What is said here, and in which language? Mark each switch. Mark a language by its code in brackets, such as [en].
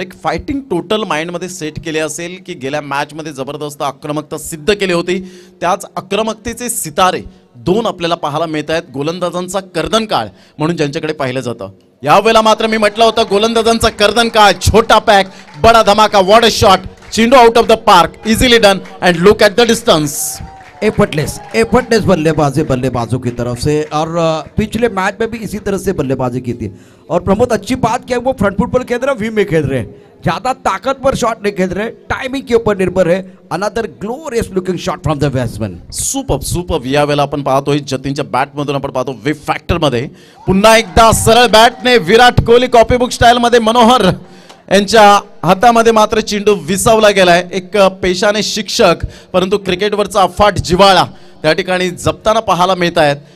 [mr] एक fighting total माइंडमध्ये set केले असेल की गेल्या मॅचमध्ये जबरदस्त आक्रमकता सिद्ध केली होती, त्याच आक्रमकतेचे सितारे दोन आपल्याला पाहायला मिळत आहेत. गोलंदाजांचा कर्दन काळ म्हणून ज्यांच्याकडे पाहिलं जातं, यावेळेला मात्र मी म्हटलं होतं गोलंदाजांचा कर्दन काळ, [hi] छोटा पॅक, बडा धमाका, [en] What a shot, चिंडू out of the park, easily done, and look at the distance. [hi] Effortless effortless बल्लेबाजी बल्लेबाजों की तरफ से, और पिछले मैच में भी इसी तरह से बल्लेबाजी की थी. और प्रमोद, अच्छी बात क्या है, वो फ्रंट फुट पर खेल रहे हैं, विंग में खेल रहे हैं, ज्यादा ताकत पर शॉट नहीं खेल रहे, टाइमिंग के ऊपर निर्भर है. [en] Another glorious looking shot from the batsman, super super. [mr] या वेला अपन पाहतो जतिनच्या बॅट मधून, आपण पाहतो वेव फॅक्टर मध्ये, पुन्हा एकदा सरळ बॅट ने विराट कोहली कॉपीबुक स्टाइल मध्ये मनोहर यांच्या हातामध्ये मात्र चेंडू विसावला गेलाय. एक पेशाने शिक्षक परंतु क्रिकेटवरचा अफाट जिवाळा त्या ठिकाणी जपताना पाहायला मिळत आहेत.